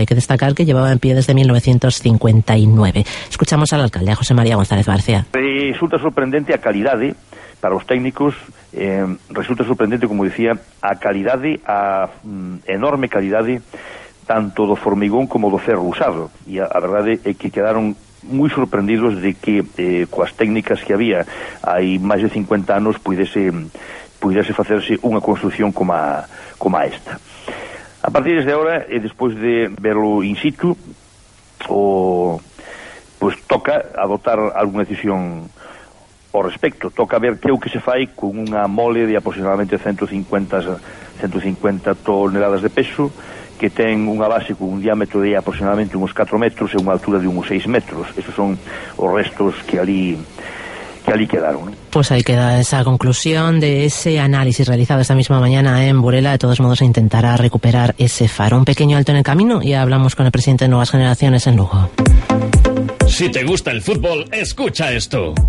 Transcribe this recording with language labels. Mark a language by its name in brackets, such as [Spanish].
[Spanish] Hay que destacar que llevaba en pie desde 1959. Escuchamos al alcalde, José María González García. [Galician] Resulta sorprendente a calidad de, [Spanish] para los técnicos, [Galician] resulta sorprendente, como decía, a calidad de, a enorme calidad de, tanto do formigón como do ferro usado. Y a verdade é que [Spanish] quedaron muy sorprendidos [Galician] de que coas técnicas que había hai máis de 50 anos pudese facerse unha construcción como a esta. [Spanish] A partir desde ahora, despois de verlo in situ, pues toca adoptar alguna decisión. [Galician] Ao respecto, toca ver que é o que se fai con unha mole de aproximadamente 150 toneladas de peso, que ten unha base con un diámetro de aproximadamente uns 4 metros e unha altura de uns 6 metros. Esos son os restos que ali quedaron. [Spanish] Pues ahí queda esa conclusión de ese análisis realizado esta misma mañana en Burela. De todos modos, se intentará recuperar ese faro. Un pequeño alto en el camino y hablamos con el presidente de Nuevas Generaciones en Lugo. Si te gusta el fútbol, escucha esto.